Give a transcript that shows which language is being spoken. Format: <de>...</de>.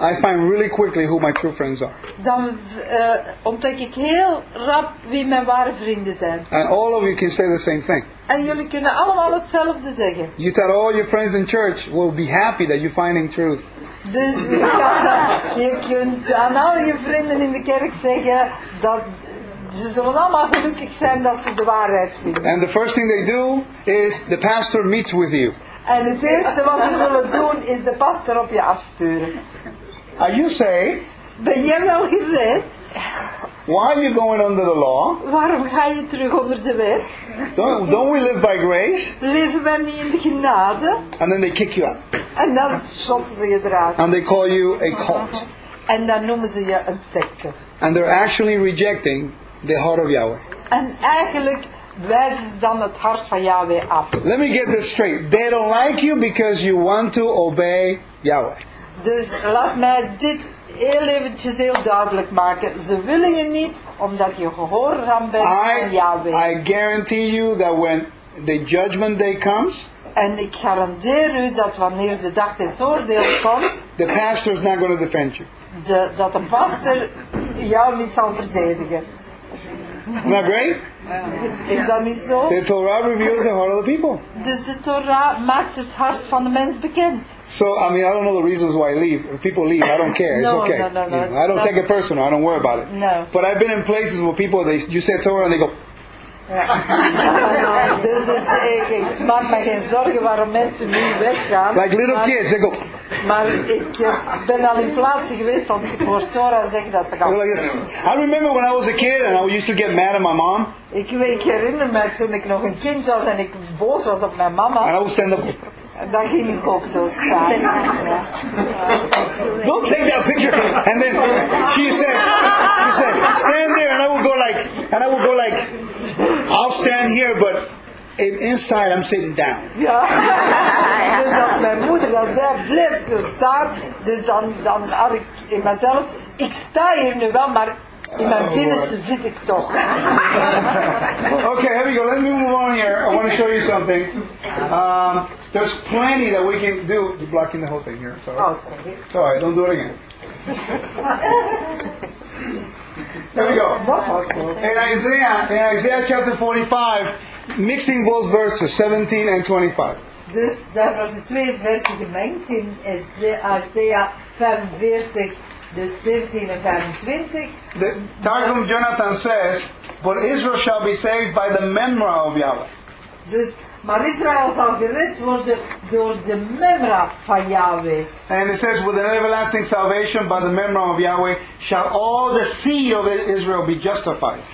<en>I find really quickly who my true friends are.</en> <nl>Dan ontdek ik heel rap wie mijn ware vrienden zijn.</nl> <en>And all of you can say the same thing.</en> <nl>En jullie kunnen allemaal hetzelfde zeggen.</nl> <en>You tell all your friends in church will be happy that you're finding truth.</en> <nl>Dus je kunt aan al je vrienden in de kerk zeggen dat ze zullen allemaal gelukkig zijn dat ze de waarheid vinden.</nl> <en>And the first thing they do is the pastor meets with you.</en> <nl>En het eerste wat ze zullen doen is de pastor op je afsturen.</nl> <en>Are you saved?</en> <nl>Ben jij wel gered?</nl> <en>Why are you going under the law?</en> <nl>Waarom ga je terug onder de wet?</nl> <en>Don't we live by grace?</en> <nl>Leven wij niet in de genade?</nl> <en>And then they kick you out.</en> <nl>En dan schotten ze je eruit.</nl> <en>And they call you a cult.</en> <nl>En dan noemen ze je een secte.</nl> <en>And they're actually rejecting the heart of Yahweh.</en> <nl>En eigenlijk wijs dan het hart van Yahweh af.</nl> <en>Let me get this straight. They don't like you because you want to obey Yahweh.</en> <nl>Dus laat mij dit heel eventjes heel duidelijk maken. Ze willen je niet omdat je gehoorzaam bent aan Yahweh.</nl> <en>I guarantee you that when the judgment day comes.</en> <nl>En ik garandeer u dat wanneer de dag des oordeels komt.</nl> <en>The pastor is not going to defend you.</en> <nl>Dat de pastor jou niet zal verdedigen.</nl> <en>Isn't that great?</en> <nl>Is dat niet zo?</nl> <en>The Torah reveals the heart of the people.</en> <nl>Dus de Torah maakt het hart van de mens bekend.</nl> <en>So, I mean, I don't know the reasons why I leave. If people leave, I don't care. No, it's okay. No. I don't take it personal. I don't worry about it. No. But I've been in places where people, you say Torah and they go...</en> <nl>Dus ik maak me geen zorgen waarom mensen nu weggaan.</nl> <en>Like little kids, they go...</en> <nl>Maar ik ben al in plaatsen geweest als ik het woord Torah zeg dat ze gaan.</nl> <en>I remember when I was a kid and I used to get mad at my mom.</en> <nl>Ik herinner me toen ik nog een kind was en ik boos was op mijn mama.</nl> <en>And I would stand up.</en> <nl>Dan ging ik op zo staan.</nl> <en>Don't take that picture. And then she said, stand there and I would go like, I'll stand here, but inside I'm sitting down.</en> <nl>Ja. Dus als mijn moeder dan zei, blijf zo staan. Dus dan had ik in mezelf, ik sta hier nu wel, maar in mijn binnenste zit ik toch.</nl> <en>Okay, here we go. Let me move on here. I want to show you something. There's plenty that we can do. You're blocking the whole thing here. Sorry. Oh, sorry. Don't do it again. There we go. In Isaiah, chapter 45, mixing both verses 17 and 25.</en> <nl>Dus daar wordt de twee versen gemengd in Isaiah 45, dus 17 en 25.</nl> <en>The Targum Jonathan says, but Israel shall be saved by the memory of Yahweh.</en> <nl>Dus, maar Israël zal gered worden door de memra van Yahweh.</nl> <en>And it says, with an everlasting salvation by the memra of Yahweh shall all the seed of Israel be justified.</en>